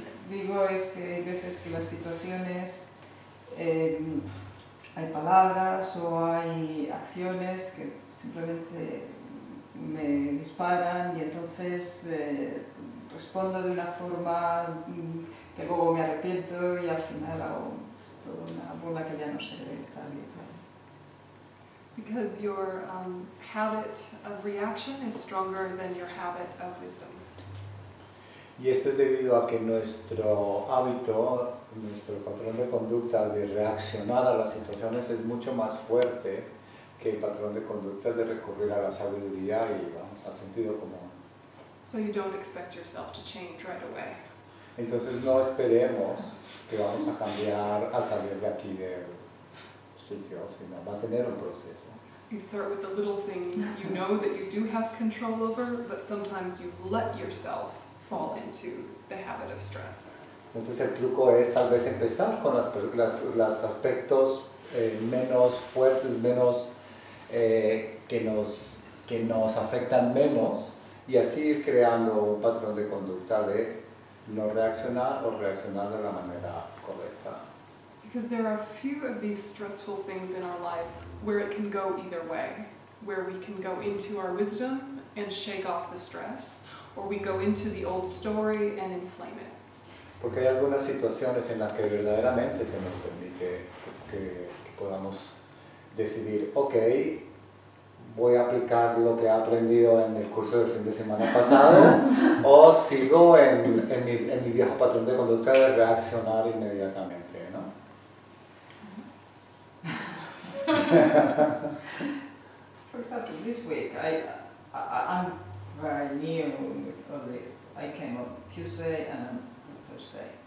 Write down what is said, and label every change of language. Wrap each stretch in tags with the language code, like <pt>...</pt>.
<es>Digo es que hay veces que las situaciones, hay palabras o hay acciones que simplemente me disparan y entonces respondo de una forma que luego me arrepiento y al final hago pues, toda una bola que ya no se debe salir.</es> <en>Because your habit of reaction is stronger than your habit of wisdom.</en> <es>Y esto es debido a que nuestro hábito, nuestro patrón de conducta de reaccionar a las situaciones es mucho más fuerte que el patrón de conducta de recurrir a la sabiduría y vamos, al sentido común.</es> <en>So you don't expect yourself to change right away.</en> <es>Entonces no esperemos que vamos a cambiar al salir de aquí del sitio, sino va a tener un proceso.</es> <en>You start with the little things you know that you do have control over, but sometimes you let yourself fall into the habit of stress.</en> <es>Entonces el truco es tal vez empezar con los aspectos menos fuertes, menos que nos afectan menos, y así ir creando un patrón de conducta de no reaccionar o reaccionar de la manera correcta.</es> <en>Because there are a few of these stressful things in our life where it can go either way, where we can go into our wisdom and shake off the stress, or we go into the old story and inflame it.</en> <es>Porque hay algunas situaciones en las que verdaderamente se nos permite que podamos decidir, okay, voy a aplicar lo que he aprendido en el curso del fin de semana pasado, o sigo en mi viejo patrón de conducta de reaccionar inmediatamente, ¿no?</es> <en>For example, this week I'm very new with all this. I came on Tuesday and on Thursday.</en>